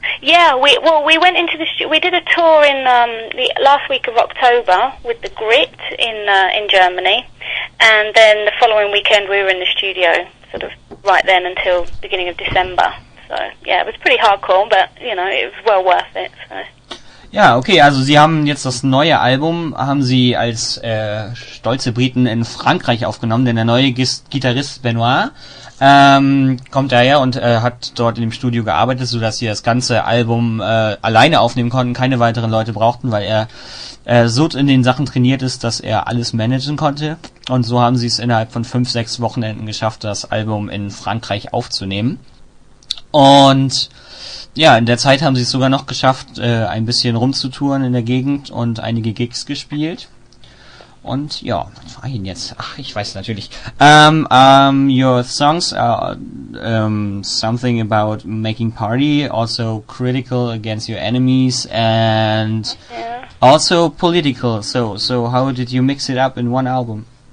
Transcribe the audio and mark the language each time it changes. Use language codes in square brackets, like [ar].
[en] Yeah, we went into the we did a tour in the last week of October with the Grit in Germany, and then the following weekend we were in the studio, sort of right then until beginning of December. So yeah, it was pretty hardcore, but you know it was well worth it. So. [de] Ja, okay, also Sie haben jetzt das neue Album, haben Sie als stolze Briten in Frankreich aufgenommen, denn der neue Gitarrist Benoit kommt daher und hat dort in dem Studio gearbeitet, sodass Sie das ganze Album alleine aufnehmen konnten, keine weiteren Leute brauchten, weil er so in den Sachen trainiert ist, dass er alles managen konnte. Und so haben Sie es innerhalb von 5-6 Wochenenden geschafft, das Album in Frankreich aufzunehmen. Und ja, in der Zeit haben sie es sogar noch geschafft, ein bisschen rumzutouren in der Gegend und einige Gigs gespielt. Und ja, was war ich denn jetzt? Ach, ich weiß natürlich. [en] Your songs are something about making party, also critical against your enemies and also political. So how did you mix it up in one album?